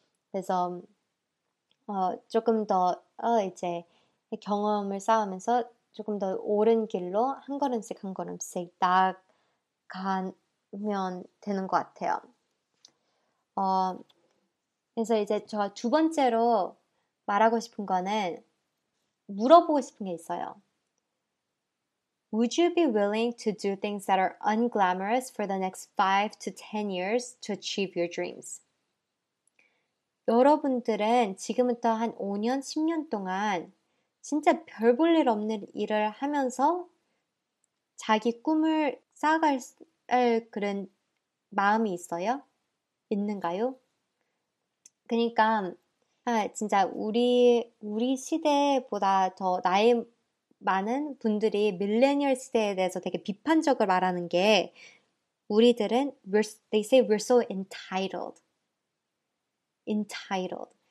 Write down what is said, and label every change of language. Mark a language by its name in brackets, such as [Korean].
[Korean] 그래서 조금 더 이제 경험을 쌓으면서 조금 더 옳은 길로 한 걸음씩 나아가면 되는 것 같아요. 그래서 이제 저두 번째로 말하고 싶은 거는 물어보고 싶은 게 있어요. [English] Would you be willing to do things that are unglamorous for the next 5 to 10 years to achieve your dreams? [Korean] 여러분들은 지금부터 한 5년, 10년 동안 진짜 별볼일 없는 일을 하면서 자기 꿈을 쌓아갈 그런 마음이 있어요? 있는가요? 그러니까 진짜 우리 시대보다 더 나이 많은 분들이 밀레니얼 시대에 대해서 되게 비판적으로 말하는 게 우리들은 [English] they say we're so entitled. Entitled.